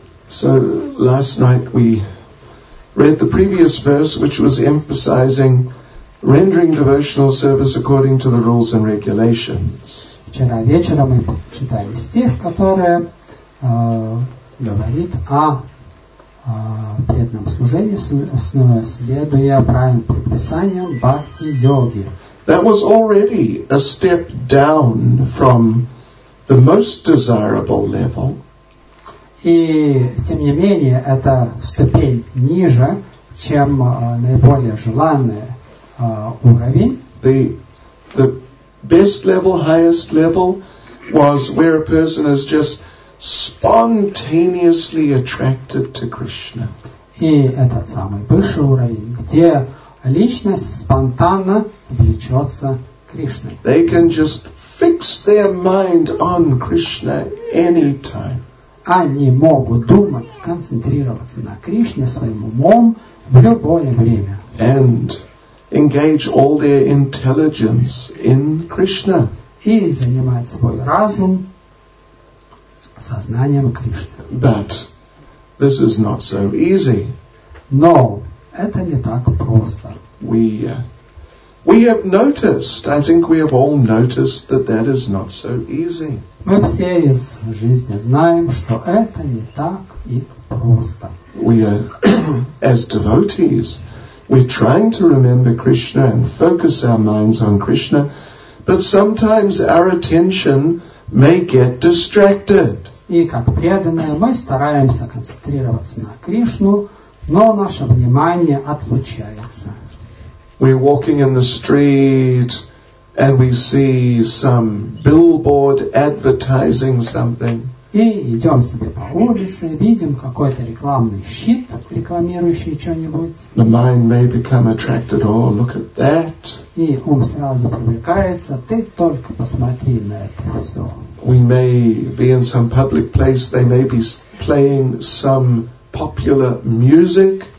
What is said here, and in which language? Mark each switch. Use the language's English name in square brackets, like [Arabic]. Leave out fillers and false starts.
[English] So last night we read the previous verse, which was emphasizing rendering devotional service according to the rules and regulations. [Russian] Вчера вечером мы читали стих, который говорит о преданном служении, следуя правильным предписаниям бхакти-йоги. [English] That was already a step down from the most desirable level. [Russian] И, тем не менее, это ступень ниже, чем наиболее желанный уровень. [English] The best level, highest level, was where a person is just spontaneously attracted to Krishna. [Russian] И этот самый высший уровень, где личность спонтанно влечется Кришной. [English] They can just fix their mind on Krishna anytime. [Russian] Они могут думать, концентрироваться на Кришне своим умом в любое время. [English] And engage all their intelligence in Krishna. [Russian] И занимать свой разум сознанием Кришны. [English] But this is not so easy. [Russian] Но это не так просто. [English] We have noticed, I think we have all noticed that that is not so easy. [Russian] Мы все из жизни знаем, что это не так и просто. [English] We are, as devotees, we're trying to remember Krishna and focus our minds on Krishna, but sometimes our attention may get distracted. [Russian] И как преданные, мы стараемся концентрироваться на Кришну, но наше внимание отлучается. [English] We're walking in the street, and we see some billboard advertising something. [Russian] И идем себе по улице, видим какой-то рекламный щит, рекламирующий что-нибудь. [English] The mind may become attracted. Oh, look at that. [Russian] И ум сразу привлекается. Ты только посмотри на это все. [English] We may be in some public place. They may be playing some popular music.